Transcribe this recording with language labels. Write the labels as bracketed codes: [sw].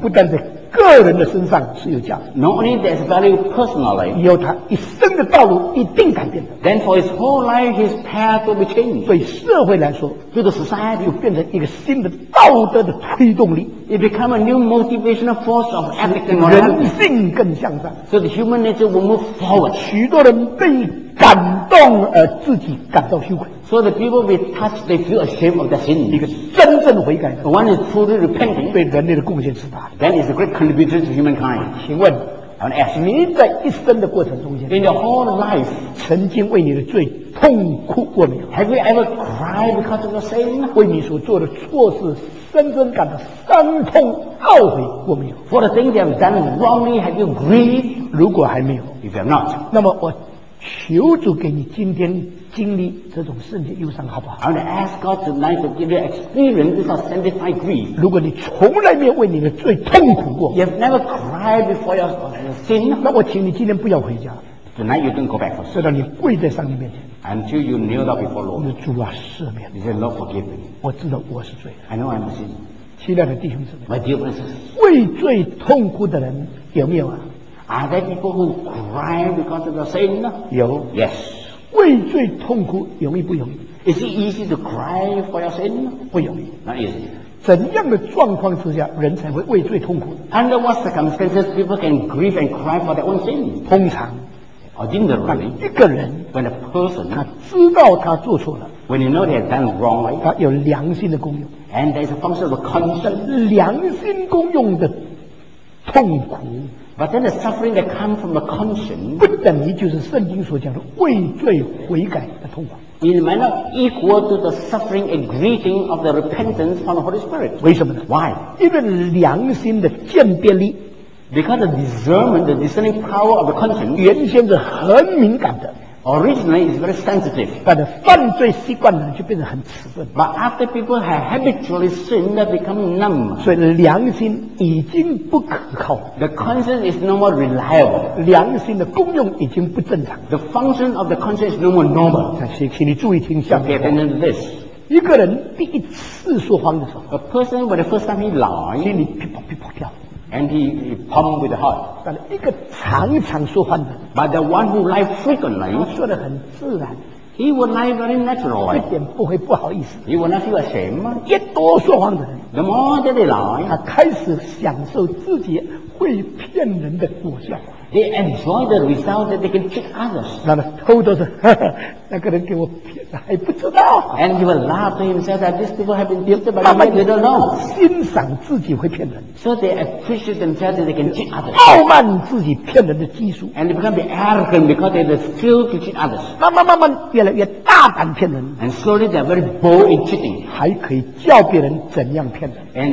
[zh] 不但在个人的身上是有价值 [en] ，Not only there's value personally， [zh] 以后他一生的道路一定改变的 [en] ，Then for his whole life his path will be changed。 [zh] 对社会来说 [en] ，To the society， [zh] 又变成一个新的道德的推动力。 [en] It become a new motivational force of ethical [zh] morality. 人性更向上 [en] So the human nature will move forward. [zh] 许多人被感动而自己感到羞愧 [en] So the people be touched, they feel ashamed of their sin. [zh] 一个真正悔改 [en] One is truly repenting. [zh] 对人类的贡献是大 [en] Then it's a great contribution to humankind. [zh] 请问 [en] I want to ask. [zh] 你在一生的过程中间 [en] In your whole life, [zh] 曾经为你的罪痛哭过没有 [en] Have you ever cried because of your sin? [zh] 为你所做的错事深深感到伤痛懊悔过没有 [en] For the things you have done wrongly, have you grieved? [zh] 如果还没有 [en] If you're not [zh] 那么我求主给你今天经历这种圣洁忧伤好不好 [en] I want to ask God tonight to give you experience this of sanctified grief [zh] 如果你从来没有为你的罪痛苦过 [en] You've never cried before your sin [zh] 那我请你今天不要回家 [en] Tonight you don't go back for [zh] sin 直到你跪在上帝面前 [en] Until you kneel down before Lord, [zh] 主啊，赦免。 [en] He said, "Lord, forgive me." [zh] 我知道我是罪人。 [en] I know I'm a sinner. [zh] 亲爱的弟兄姊妹 [en] ，My dear brothers, [zh] 为罪痛哭的人有没有啊 [en] ？Are there people who cry because of their sin? [zh] 有。 [en] Yes. [zh] 为罪痛哭容易不容易 [en] ？Is it easy to cry for your sin? [zh] 不容易。 [en] Not easy. [zh] 怎样的状况之下，人才会为罪痛哭 [en] ？Under what circumstances people can grieve and cry for their own sin? [zh] 通常。 [en] Ordinarily, [zh] 一个人 [en] when a person, [zh] 他知道他做错了 [en] when you know they have done wrongly, [zh] 他有良心的功用 [en] and there's a function of conscience, [zh] 良心功用的痛苦 [en] but then the suffering that comes from the conscience, [zh] 不等于就是圣经所讲的畏罪悔改的痛苦 [en] it might not equal to the suffering and grieving of the repentance from the Holy Spirit. [zh] 为什么呢 [en] Why? [zh] 因为良心的鉴别力 [en] Because the discernment, the discerning power of the conscience, [zh] 原先是很敏感的 [en] originally is very sensitive. [zh] But 犯罪习惯呢就变得很迟钝 [en] But after people have habitually sinned, they become numb. [zh] 所以良心已经不可靠 [en] The conscience is no more reliable. [zh] 良心的功用已经不正常 [en] The function of the conscience is no more normal. [zh] 请你注意听下面 [en] Pay attention to this. [zh] 一个人第一次说谎的时候 [en] A person when the first time he lied, [zh] 心里噼啪噼啪跳 [en] And he pumped with the heart. [zh] 但一个常常说谎的 [en] ，But the one who lie frequently, [zh] 说得很自然 [en] ，He will lie very naturally. [zh] 一点不会不好意思 [en] ，He will not feel ashamed. [zh] 越多说谎的 [en] ，The more that they lie, [zh] 他开始享受自己会骗人的果效。 [en] They enjoy the result that they can trick others. [zh] 那个偷都是，那个人给我骗了，还不知道。 [en] And he will laugh to himself that these people have been tempted by me. They don't know. [zh] 欣赏自己会骗人。 [en] So they appreciate themselves that they can trick others. [zh] 傲慢自己骗人的技术。 [en] And they become arrogant because they have the skill to trick others. [zh] 慢慢越来越大胆骗人。 [en] And slowly they are very bold in cheating. [zh] 还可以教别人怎样骗人。